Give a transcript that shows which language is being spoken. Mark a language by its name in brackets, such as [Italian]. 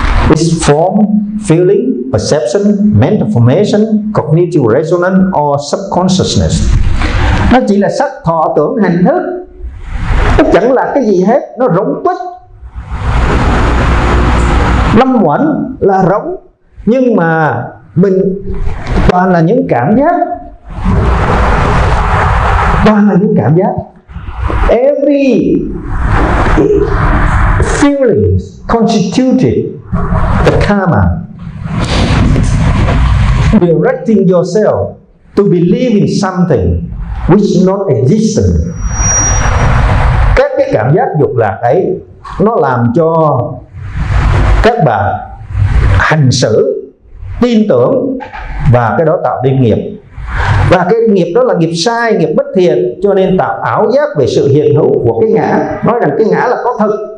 [English] It's form, feeling, perception, mental formation, cognitive resonance or subconsciousness. [Vietnamese] Nó chỉ là sắc thọ tưởng hành thức, nó chẳng là cái gì hết, nó rỗng tuếch. Lâm quẩn là rỗng, nhưng mà mình toàn là những cảm giác, toàn là những cảm giác. [English] Every feelings constituted the karma directing yourself to believe in something which not existent. [Vietnamese] Các cái cảm giác dục lạc ấy nó làm cho các bạn hành xử tin tưởng, và cái đó tạo nên nghiệp. Và cái nghiệp đó là nghiệp sai, nghiệp bất thiện, cho nên tạo ảo giác về sự hiện hữu của cái ngã, nói rằng cái ngã là có thật.